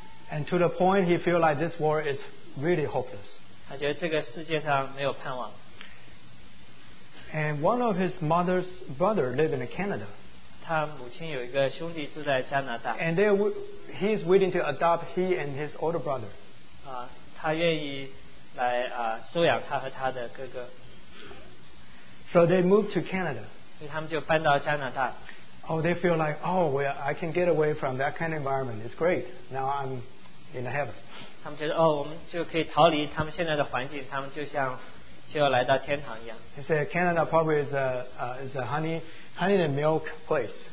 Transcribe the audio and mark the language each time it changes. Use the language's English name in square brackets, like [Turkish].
[English] And to the point he feel like this war is really hopeless. [Chinese] 他觉得这个世界上没有盼望。 [English] And one of his mother's brother lived in Canada. [Chinese] 他母亲有一个兄弟住在加拿大。 [English] And they he is willing to adopt he and his older brother. [Chinese] 他愿意来, 收养他和他的哥哥。 [English] So they moved to Canada. [Chinese] 所以他们就搬到加拿大。 [English] Oh, they feel like, oh, well, I can get away from that kind of environment. It's great. Now I'm in heaven. [Chinese] 他们觉得, oh, 我们就可以逃离他们现在的环境, 他们就像, 就要来到天堂一样。 [English] They say Canada probably is a honey and milk place.